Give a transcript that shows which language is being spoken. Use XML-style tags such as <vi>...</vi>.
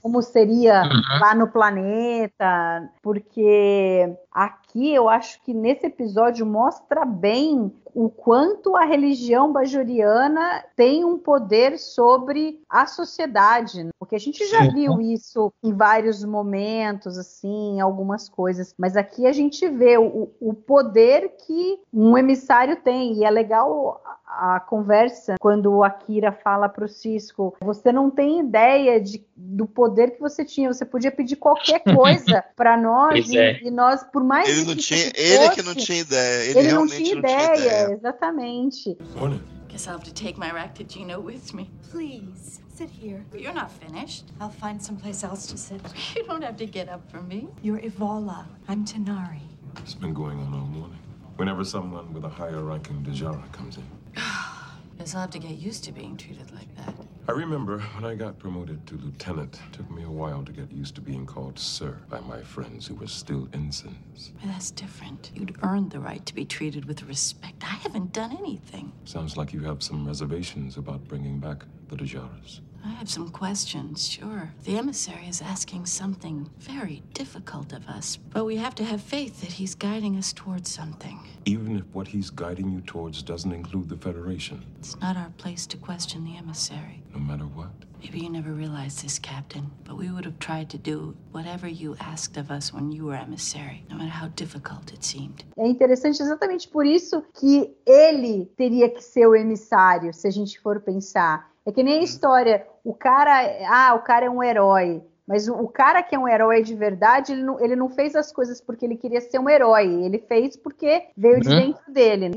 <pt>Como seria lá no planeta, porque aqui eu acho que nesse episódio mostra bem o quanto a religião bajoriana tem um poder sobre a sociedade, porque a gente já viu isso em vários momentos, assim, algumas coisas, mas aqui a gente vê o poder que um emissário tem, e é legal a conversa, quando o Akira fala pro Cisco, você não tem ideia do poder que você tinha, você podia pedir qualquer coisa para nós, e nós, por mais ele não tinha, que fosse, ele que não tinha ideia, ele realmente não tinha ideia. Exatamente.</pt> <en>Guess I'll have to take my Ractigino with me. Please, sit here. You're not finished. I'll find someplace else to sit. You don't have to get up for me. You're Evola. I'm Tanari. It's been going on all morning. Whenever someone with a higher ranking Dejara comes in. Guess I'll have to get used to being treated like that. I remember when I got promoted to lieutenant, it took me a while to get used to being called sir by my friends who were still ensigns. Well, that's different. You'd earned the right to be treated with respect. I haven't done anything. Sounds like you have some reservations about bringing back the Dejaras. I have some questions, sure. The emissary is asking something very difficult of us, but we have to have faith that he's guiding us towards something. Even if what he's guiding you towards doesn't include the Federation? It's not our place to question the emissary. No matter what? Maybe you never realized this, Captain, but we would have tried to do whatever you asked of us when you were emissary, no matter how difficult it seemed.</en> <pt>É interessante exatamente por isso que ele teria que ser o emissário, se a gente for pensar. É que nem a história, o cara, o cara é um herói, mas o cara que é um herói de verdade, ele não fez as coisas porque ele queria ser um herói, ele fez porque veio de dentro dele.</pt>